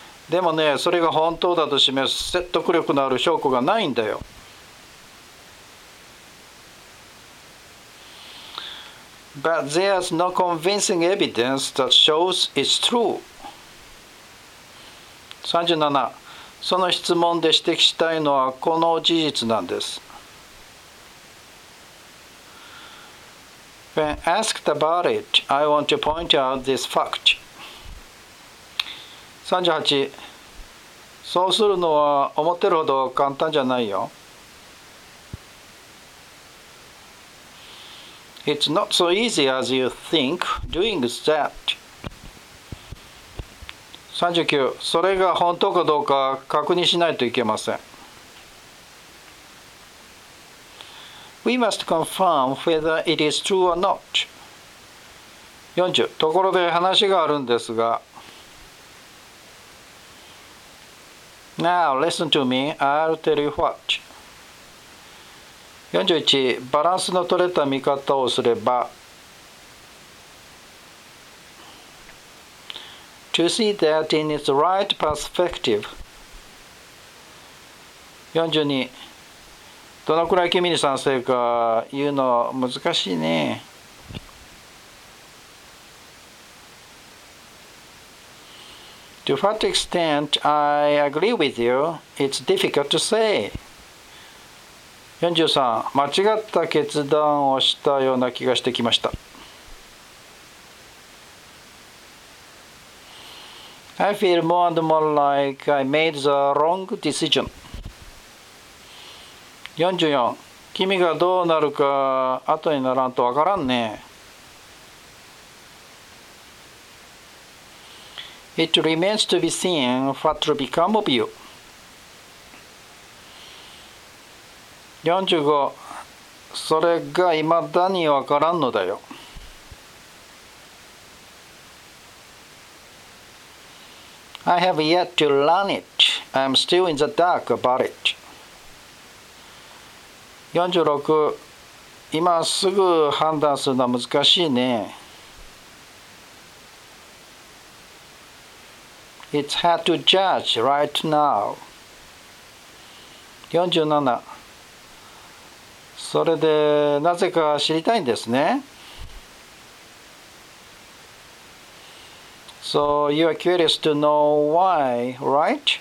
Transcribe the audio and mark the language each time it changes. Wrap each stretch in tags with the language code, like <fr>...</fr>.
<ja>でもね、それが本当だと示す説得力のある証拠がないんだよ。</ja> <en>But there's no convincing evidence that shows it's true. 37.</en> <ja>その質問で指摘したいのはこの事実なんです。</ja> <en>When asked about it, I want to point out this fact. 38.</en> <ja>そうするのは思ってるほど簡単じゃないよ。</ja> <en>It's not so easy as you think doing that. 39.</en> <ja>それが本当かどうか確認しないといけません。</ja> <en>We must confirm whether it is true or not. 40.</en> <ja>ところで話があるんですが。</ja> <en>Now listen to me, I'll tell you what. 41.</en> <ja>バランスの取れた見方をすれば。</ja> <en>To see that in its right perspective. 42.</en> <ja>どのくらい君に賛成か言うの難しいね。</ja> <en>To what extent I agree with you, it's difficult to say. 43.</en> <ja>間違った決断をしたような気がしてきました。</ja> <en>I feel more and more like I made the wrong decision. 44.</en> <ja>君がどうなるか後にならんとわからんね。</ja> <en>It remains to be seen what will become of you. 45.</en> <ja>それが未だにわからんのだよ。</ja> <en>I have yet to learn it. I'm still in the dark about it. 46.</en> <ja>今すぐ判断するのは難しいね。</ja> <en>It's hard to judge right now. 47.</en> <ja>それでなぜか知りたいんですね。</ja> <en>So you are curious to know why, right?</en>